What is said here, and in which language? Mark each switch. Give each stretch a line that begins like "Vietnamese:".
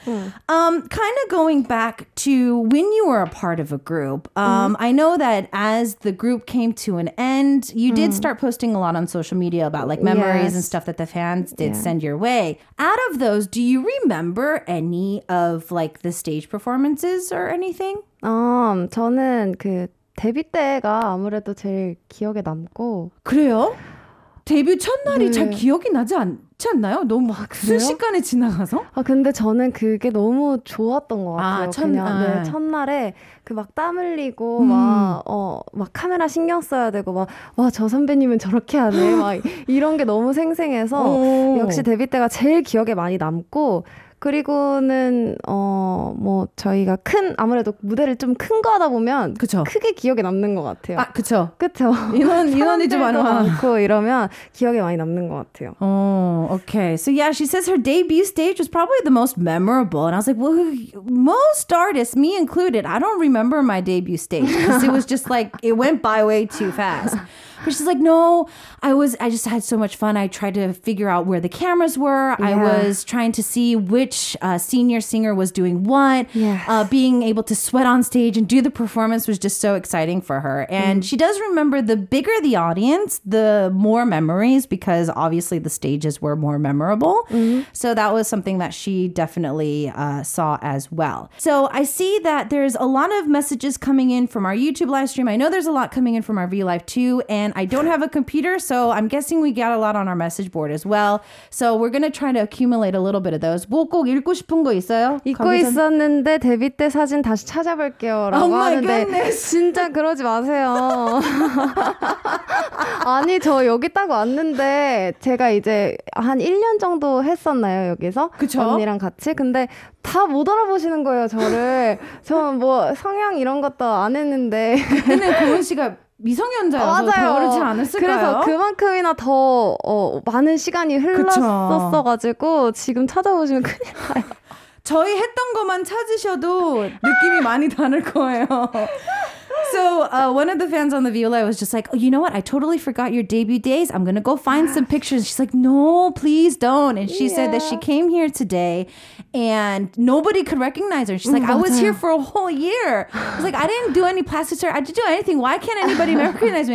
English: Kind of going back to when you were a part of a group, I know that as the group came to an end, you did start posting a lot on social media about like memories and stuff that the fans did send your way. Out of those, do you remember any of like the stage performances or anything?
Korean: 저는 그 데뷔 때가 아무래도 제일 기억에 남고 그래요? 데뷔 첫날이 네. 잘 기억이 나지 않지 않나요? 너무 막 순식간에 지나가서? 아 근데 저는 그게 너무 좋았던 것 같아요. 그냥 네, 첫날에 그 막 땀 흘리고 막 어 막 카메라 신경 써야 되고 막 와 저 선배님은 저렇게 하네 막 이런 게 너무 생생해서 역시 데뷔 때가 제일 기억에 많이 남고. 그리고는 어 뭐 저희가 큰 아무래도 무대를 좀 큰 거 하다 보면 그쵸. 크게 기억에 남는 것 같아요. 아 그쵸. 그쵸. 인원이 좀 많고 이러면 기억에 많이 남는 것 같아요.
English: Oh, okay. So yeah, she says her debut stage was probably the most memorable. And I was like, well, most artists, me included, I don't remember my debut stage because it was just like it went by way too fast. But she's like, no, I just had so much fun. I tried to figure out where the cameras were. Yeah. I was trying to see which senior singer was doing what. Yes. Being able to sweat on stage and do the performance was just so exciting for her. And she does remember the bigger the audience, the more memories, because obviously the stages were more memorable. So that was something that she definitely saw as well. So I see that there's a lot of messages coming in from our YouTube live stream. I know there's a lot coming in from our VLive too. And I don't have a computer, so I'm guessing we got a lot on our message board as well. So we're going to try to accumulate a little bit of those.
Korean: 뭐 꼭 읽고 싶은 거 있어요? 읽고 있었는데 데뷔 때 사진 다시 찾아볼게요. 라고
English: oh my
Korean: 하는데
English: goodness.
Korean: 진짜 그러지 마세요. 아니, 저 여기 딱 왔는데 제가 이제 한 1년 정도 했었나요, 여기서? 그쵸? 언니랑 같이? 근데 다 못 알아보시는 거예요, 저를. 저는 뭐 성향 이런 것도 안 했는데. 그때는 고은 씨가... 미성년자여서 배우지 않았을까요? 그래서 그만큼이나 더 많은 시간이 흘렀었어가지고 지금 찾아보시면 큰일 나요. 저희 했던 것만 찾으셔도 느낌이 많이 다를 거예요.
English: So one of the fans on the VLive was just like, oh, you know what? I totally forgot your debut days. I'm going to go find some pictures. She's like, no, please don't. And she said that she came here today and nobody could recognize her. She's like, I was here for a whole year. I was like, I didn't do any plastic surgery. I didn't do anything. Why can't anybody recognize me?